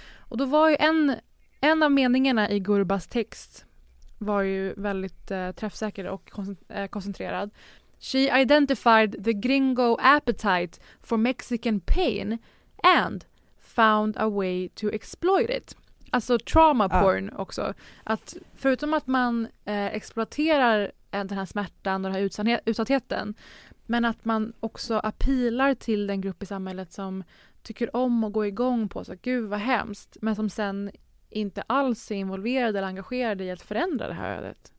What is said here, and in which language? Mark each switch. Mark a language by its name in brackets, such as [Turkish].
[Swedish] Och då var ju en av meningarna i Gurbas text var ju väldigt träffsäker och koncentrerad. [English] "She identified the gringo appetite for Mexican pain and found a way to exploit it." [Swedish] Alltså trauma porn också. Att förutom att man exploaterar den här smärtan och den här utsattheten, men att man också appealar till den grupp i samhället som tycker om att gå igång på så att gud vad hemskt, men som sen inte alls är involverade eller engagerade i att förändra det här ödet.